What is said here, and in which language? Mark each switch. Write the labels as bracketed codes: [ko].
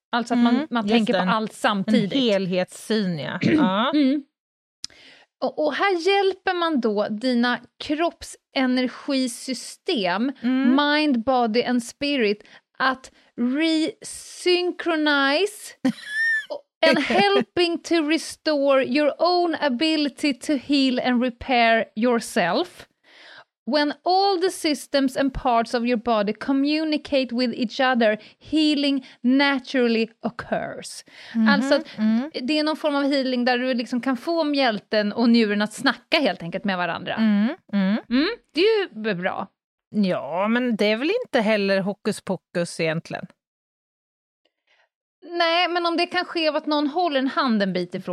[sv] Alltså att man tänker på allt samtidigt. En helhetssyn, ja. Och här hjälper man då dina kroppsenergisystem, [en] mind, body and spirit, [sv] att [en] resynchronize... And helping to restore your own ability to heal and repair yourself. When all the systems and parts of your body communicate with each other, healing naturally occurs. [sv] Mm-hmm, alltså, det är någon form av healing där du liksom kan få mjälten och njuren att snacka helt enkelt med varandra. Det är ju bra. Ja, men det är väl inte heller hokus pokus egentligen. Nej, men om det kan ske av att någon håller en hand en bit ifrån